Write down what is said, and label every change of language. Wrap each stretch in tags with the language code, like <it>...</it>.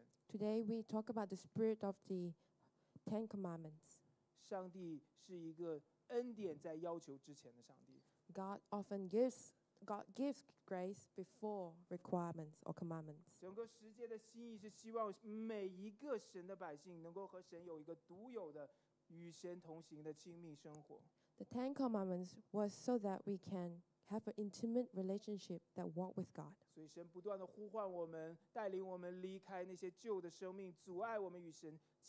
<en>today we talk about the spirit of the Ten Commandments.</en> <zh>上帝是一个恩典在要求之前的上帝。</zh> <en>God often gives, God gives grace before requirements or commandments.</en> <zh>整个十诫的心意是希望每一个神的百姓能够和神有一个独有的与神同行的亲密生活。</zh> <en>The Ten Commandments was so that we can have an intimate relationship that walk with God.</en> <zh>所以神不断地呼唤我们，带领我们离开那些旧的生命，阻碍我们与神。</zh>